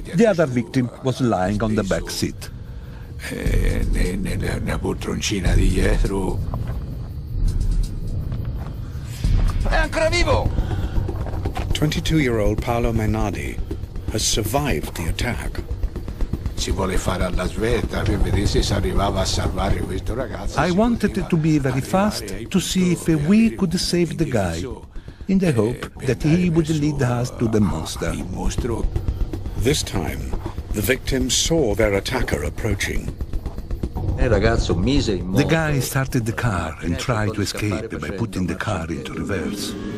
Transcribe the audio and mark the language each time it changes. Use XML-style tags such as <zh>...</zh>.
<en>The other victim was lying on the back seat.</en> <it>Nella poltroncina di dietro. È ancora vivo.</it> <en>22-year-old Paolo Mainardi has survived the attack.</en> <it>Si vuole fare alla svelta per vedere se si arrivava a salvare questo ragazzo.</it> <en>I wanted to be very fast to see if we could save the guy, in the hope that he would lead us to the monster.</en> <it>Il mostro.</it> <en>This time, the victim saw their attacker approaching.</en> <it>Il ragazzo mise in moto.</it> <en>The guy started the car and tried to escape by putting the car into reverse.</en>